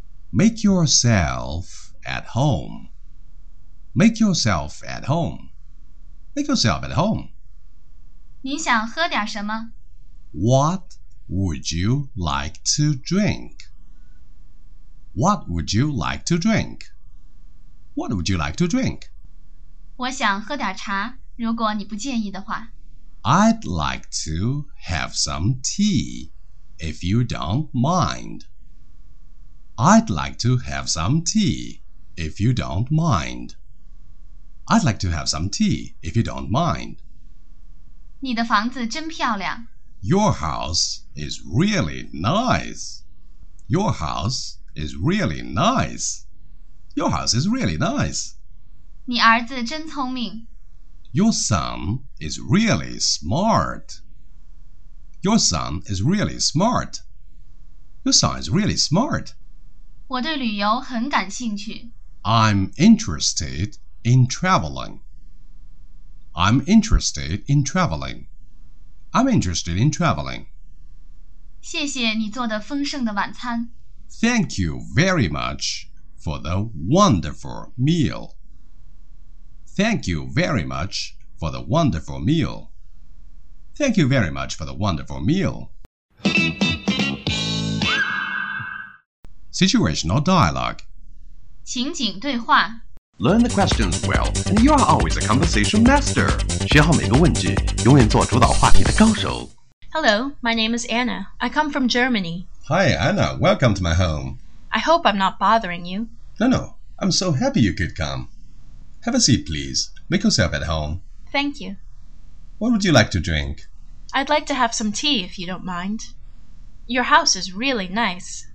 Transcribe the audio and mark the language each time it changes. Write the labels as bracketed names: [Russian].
[English] Make yourself at home. Make yourself at home. Make yourself at home. [Chinese] 你想喝点什么？ [English] What would you like to drink? What would you like to drink? What would you like to drink? [Chinese] 我想喝点茶，如果你不介意的话。 [English] I'd like to have some tea. If you don't mind, I'd like to have some tea. If you don't mind, I'd like to have some tea. If you don't mind, [Chinese] 你的房子真漂亮。 [English] Your house is really nice. Your house is really nice. Your house is really nice. [Chinese] 你儿子真聪明。 [English] Your son is really smart. Your son is really smart. Your son is really smart. [Chinese] 我对旅游很感兴趣。 [English] I'm interested in traveling. I'm interested in traveling. I'm interested in traveling. [Chinese] 谢谢你做的丰盛的晚餐。 [English] Thank you very much for the wonderful meal. Thank you very much for the wonderful meal. Thank you very much for the wonderful meal. Situational dialogue. [Chinese] 情景对话 [English] Learn the questions well, and you are always a conversation master. [Chinese] 学好每个问句，永远做主导话题的高手 [English] Hello, my name is Anna. I come from Germany. Hi, Anna. Welcome to my home. I hope I'm not bothering you. No, no. I'm so happy you could come. Have a seat, please. Make yourself at home. Thank you. What would you like to drink? I'd like to have some tea, if you don't mind. Your house is really nice.